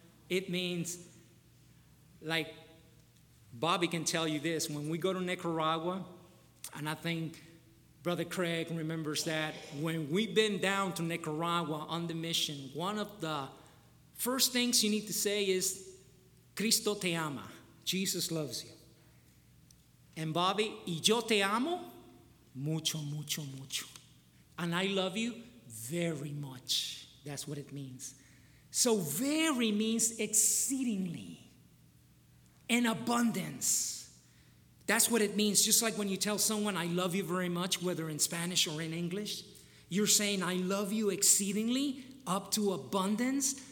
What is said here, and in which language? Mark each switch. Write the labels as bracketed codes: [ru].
[en] It means, like, Bobby can tell you this. When we go to Nicaragua, and I think Brother Craig remembers that, when we've been down to Nicaragua on the mission, one of the first things you need to say is, [es] "Cristo te ama." [en] Jesus loves you. And Bobby, [es] "Y yo te amo mucho, mucho, mucho." [en] And I love you very much. That's what it means. So very means exceedingly, in abundance. That's what it means. Just like when you tell someone, "I love you very much," whether in Spanish or in English, you're saying, "I love you exceedingly, up to abundance.